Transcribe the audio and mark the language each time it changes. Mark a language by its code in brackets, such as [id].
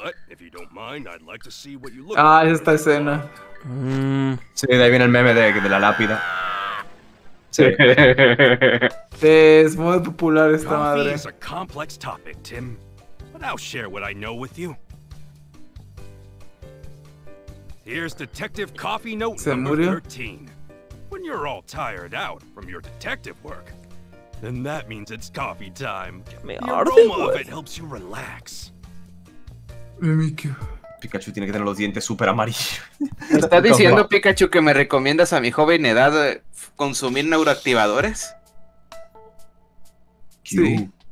[en] If you don't mind, I'd like to see what you look like. [es] Ah, esta escena. Sí, de ahí viene el meme de la lápida. Sí. Sí, es muy popular esta madre. [en] Coffee is a complex topic, Tim. But I'll share what I know with you. Here's detective coffee note number 13. When you're all tired out from your detective work, then that means it's coffee time. The aroma of it helps you relax. Mimikyu. [es] Pikachu tiene que tener los dientes súper amarillos. ¿Está diciendo, Pikachu, que me recomiendas a mi joven edad consumir neuroactivadores? Sí.